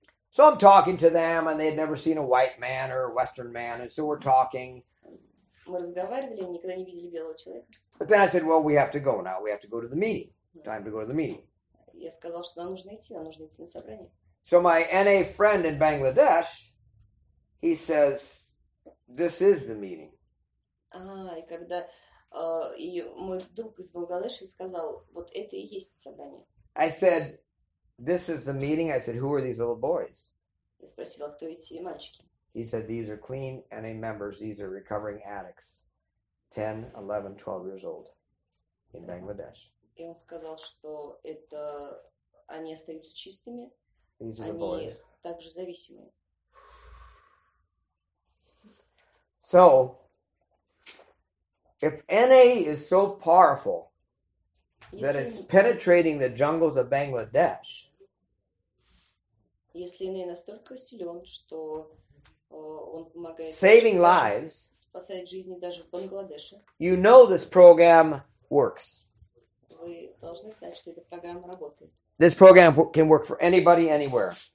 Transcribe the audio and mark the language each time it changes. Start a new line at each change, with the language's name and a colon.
English: So I'm talking to them, and they had never seen a white man or a Western man, and so we're talking. But then I said, well, we have to go now. We have to go to the meeting. Time to go to the meeting.
Russian: Я сказал, что нам нужно идти, нам нужно идти на собрание.
English: So my NA friend in Bangladesh, he says, this is the meeting.
Russian: И когда и мой друг из Бангладеши сказал, вот это и есть собрание.
English: I said, this is the meeting. I said, who are these little boys?
Russian: Я спросил, кто эти мальчики.
English: He said, these are clean NA members. These are recovering addicts, 10, 11, 12 years old in Bangladesh.
Russian: И он сказал, что это они остаются чистыми,
English: these
Russian: они также зависимые.
English: So, if NA is so powerful that it's penetrating the jungles of Bangladesh,
Russian: если NA настолько силен, что он помогает
English: saving lives,
Russian: спасает жизни даже в Бангладеше,
English: you know this program works.
Russian: Вы должны знать, что эта программа работает.
English: This program can work for anybody, anywhere.